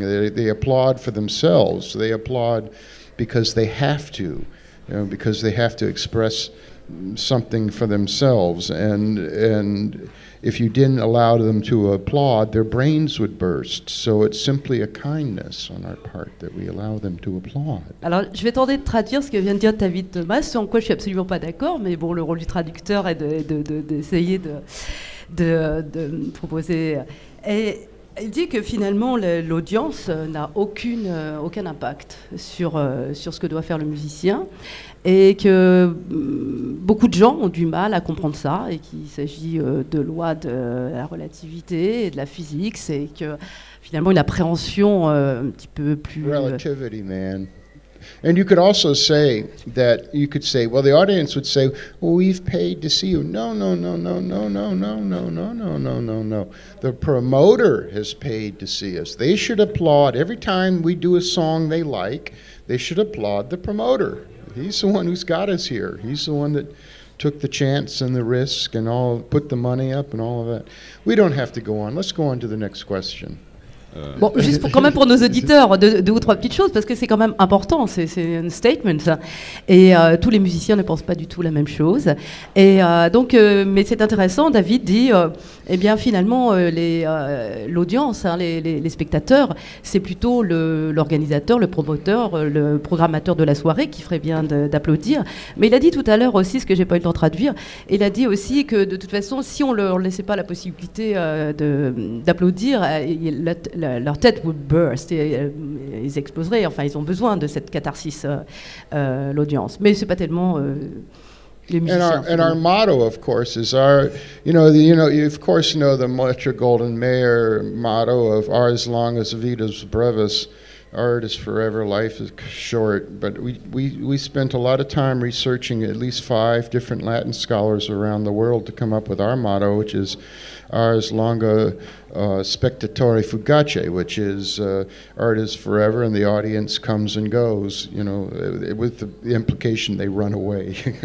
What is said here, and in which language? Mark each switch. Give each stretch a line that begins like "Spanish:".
English: They applaud for themselves. They applaud because they have to, you know, because they have to express something for themselves, and if you didn't allow them to applaud, their brains would burst. So it's simply a kindness on our part that we allow them to applaud.
French: Alors, je vais tenter de traduire ce que vient de dire David Thomas, ce en quoi je suis absolument pas d'accord, mais bon, le rôle du traducteur est d'essayer de proposer. Et il dit que finalement, l'audience n'a aucun impact sur ce que doit faire le musicien. Et que beaucoup de gens ont du mal à comprendre ça, et qu'il s'agit de lois de la relativité et de la physique, c'est que finalement une appréhension un petit peu plus.
English: Relativity, man. And you could also say that you could say, well, the audience would say, well, we've paid to see you. No, no, no, no, no, no, no, no, no, no, no, no, no. The promoter has paid to see us. They should applaud every time we do a song they like. They should applaud the promoter. He's the one who's got us here. He's the one that took the chance and the risk and all, put the money up and all of that. We don't have to go on. Let's go on to the next question.
French: Bon, juste pour, quand même pour nos auditeurs, deux ou trois petites choses, parce que c'est quand même important, c'est un statement, ça. Et tous les musiciens ne pensent pas du tout la même chose. Et donc, mais c'est intéressant, David dit, eh bien finalement, l'audience, hein, les spectateurs, c'est plutôt l'organisateur, le promoteur, le programmateur de la soirée qui ferait bien d'applaudir. Mais il a dit tout à l'heure aussi, ce que j'ai pas eu le temps de traduire, il a dit aussi que de toute façon, si on ne leur laissait pas la possibilité d'applaudir, leur tête
English: would burst,
French: ils exploseraient, enfin ils ont besoin de cette catharsis, l'audience, mais c'est pas tellement les musiciens.
English: And our motto, of course, is our, you of course know the Metro-Golden-Mayer motto of
Latin: ars longus, vitae brevis,
English: art is forever, life is short, but we spent a lot of time researching at least 5 different Latin scholars around the world to come up with our motto, which is
Latin: ars longa spectatori fugace,
English: which is art is forever and the audience comes and goes, you know, with the implication they run away.